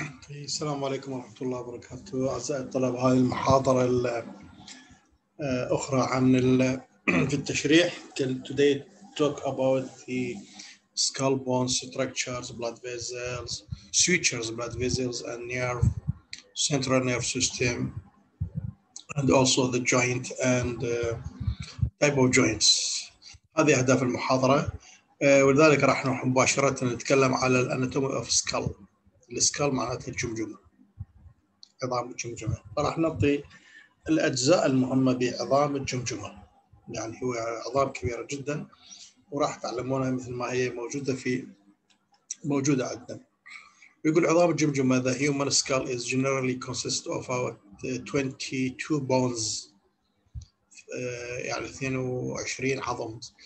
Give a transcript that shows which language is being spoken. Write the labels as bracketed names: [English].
[Arabic] السلام عليكم ورحمة الله وبركاته. أعزائي الطلاب، هذه المحاضرة الأخرى عن في التشريح. [English] Today talk about the skull bone structures, blood vessels, sutures, blood vessels and nerve, central nerve system and also the joint and type of joints. [Arabic] هذه أهداف المحاضرة. ولذلك راح نروح مباشرة نتكلم على الأناتومي of skull. السكال معناتها الجمجمة، عظام الجمجمة. فراح نعطي الأجزاء المهمة بعظام الجمجمة، يعني هو عظام كبيرة جدا، وراح تعلمونها مثل ما هي موجودة عندنا. يقول عظام الجمجمة: [English] The human skull is generally consists of 22 bones، [Arabic] يعني 22 عظم.